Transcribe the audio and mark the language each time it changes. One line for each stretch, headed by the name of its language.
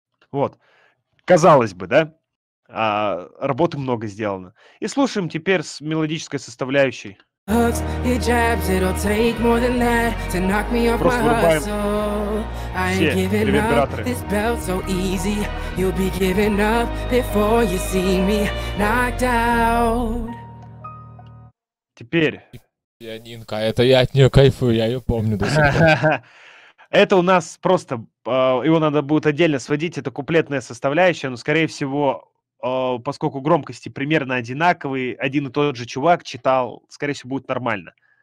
Russian: Вот. Казалось бы, да? А работы много сделано. И слушаем теперь с мелодической составляющей.
English: Hooks, he jabs, it'll take more than that to knock me off my hustle. I ain't giving up this belt so easy. You'll be giving up before you see me knocked out.
Russian: Теперь... Пианинка, это я от нее кайфую, я ее помню до сих пор. Это у нас просто, его надо будет отдельно сводить, это куплетная составляющая, но, скорее всего, поскольку громкости примерно одинаковые, один и тот же чувак читал, скорее всего, будет нормально.